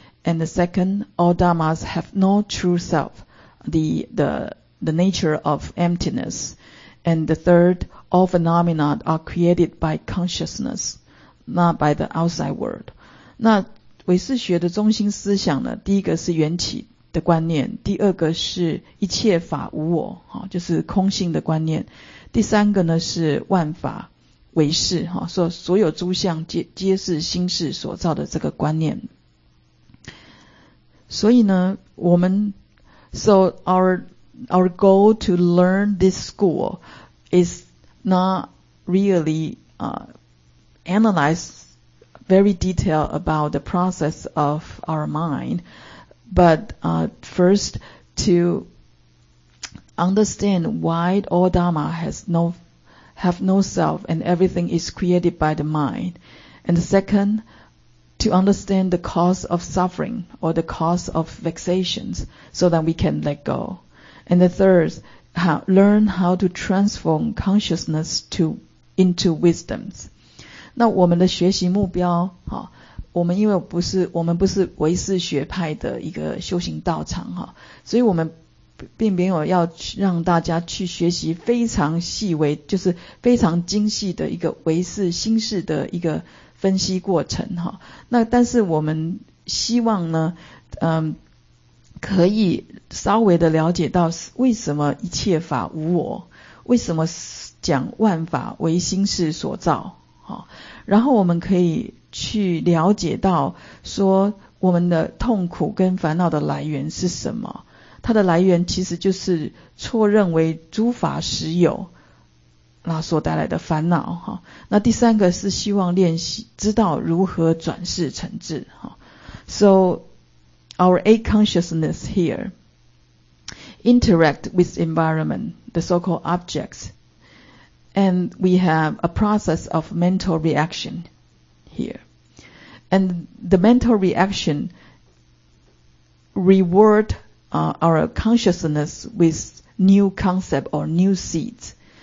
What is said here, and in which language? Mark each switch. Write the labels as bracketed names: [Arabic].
[English] and the second, all dharmas have no true self, the nature of emptiness, and the third, all phenomena are created by consciousness, not by the outside world. [Chinese] 那唯识学的中心思想呢，第一个是缘起的观念，第二个是一切法无我，就是空性的观念，第三个呢是万法唯识，所有诸相 皆是心识所造的这个观念。所以呢，我们 [English] So our goal to learn this school is not really analyze very detailed about the process of our mind, but first to understand why all dharma have no self and everything is created by the mind, and second, to understand the cause of suffering or the cause of vexations so that we can let go. And the third, learn how to transform consciousness into wisdoms. [Chinese] 那我们的学习目标，我们因为我们不是唯识学派的一个修行道场，所以我们并没有要让大家去学习非常细微，就是非常精细的一个唯识心识的一个分析过程，那但是我们希望呢，可以稍微的了解到为什么一切法无我，为什么讲万法唯心识所造，然后我们可以去了解到说我们的痛苦跟烦恼的来源是什么，它的来源其实就是错认为诸法实有那所带来的烦恼。那第三个是希望练习知道如何转世成智。 [English] So our eight consciousness here interact with environment, the so-called objects, and we have a process of mental reaction here. And the mental reaction reward our consciousness with new concept or new seeds.